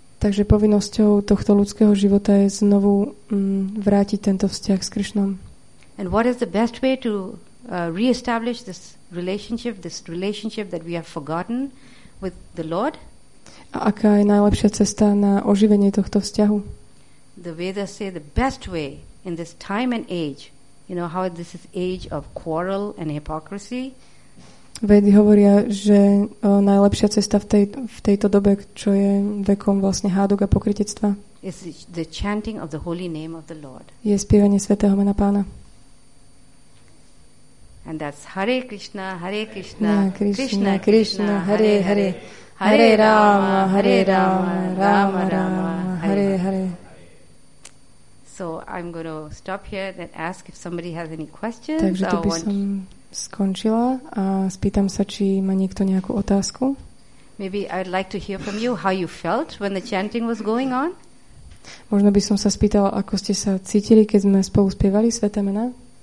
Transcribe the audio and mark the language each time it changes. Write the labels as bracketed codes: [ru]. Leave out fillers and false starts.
[sk] Takže povinnosťou tohto ľudského života je znovu vrátiť tento vzťah s Krishnom. [en] And what is the best way to reestablish this relationship that we have forgotten with the Lord? [sk] A aká je najlepšia cesta na oživenie tohto vzťahu? [en] The Vedas say the best way in this time and age, you know how this is age of quarrel and hypocrisy. [sk] Vedy hovoria, že najlepšia cesta v tejto dobe, čo je vekom vlastne hádok a pokrytectva, [en] is the chanting of the holy name of the Lord. [sk] Je spievanie svätého mena Pána. [en] And that's Hare Krishna, Hare Krishna, [sa] Krishna Krishna, Hare Hare, Hare Rama, Hare Rama, Rama Rama, Hare Hare. [en] So I'm going to stop here and ask if somebody has any questions. [sk] Takže tu by som skončila a spýtam sa, či má niekto nejakú otázku. [en] Maybe I'd like to hear from you how you felt when the chanting was going on. [sk] Možno by som sa spýtala, ako ste sa cítili, keď sme spolu spievali sväté mená.